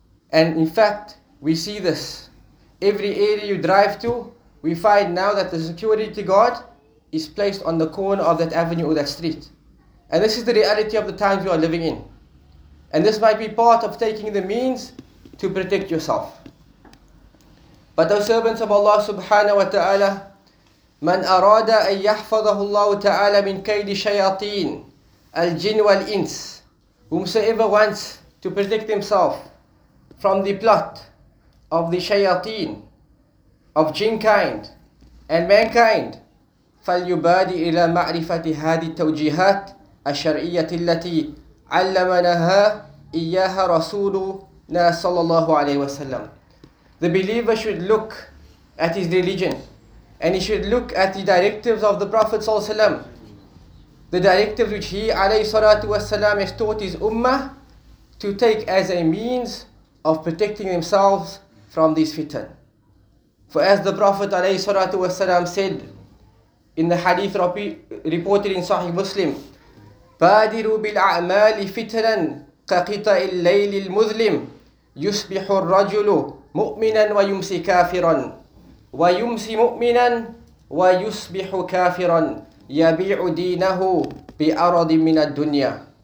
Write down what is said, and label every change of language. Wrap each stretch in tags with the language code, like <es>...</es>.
<en>And in fact, we see this. Every area you drive to, we find now that the security guard is placed on the corner of that avenue or that street. And this is the reality of the times we are living in. And this might be part of taking the means to protect yourself. But O servants of Allah subhanahu wa ta'ala,</en> <ar>من أراد أن يحفظه الله تعالى من كيد الشياطين الجن والإنس,</ar> <en>whomsoever wants to protect himself from the plot of the shayateen, of jinkind and mankind,</en> <ar>فليبادي إلى معرفة هذه التوجيهات الشرعية التي علمناها إياها رسولنا صلى الله عليه وسلم.</ar> <en>The believer should look at his religion and he should look at the directives of the Prophet</en> <ar>صلى الله عليه وسلم.</ar> <en>The directives which he</en> <ar>عليه الصلاة والسلام</ar> <en>has taught his ummah to take as a means of protecting themselves from this fitan. For as the Prophet عليه الصلاة والسلام said in the hadith reported in Sahih Muslim,</en> <ar>بادروا بالأعمال فتنا كقطع الليل المظلم يصبح الرجل مؤمنا ويمسي كافرا ويمسي مؤمنا ويصبح كافرا يبيع دينه بأرض من الدنيا.</ar>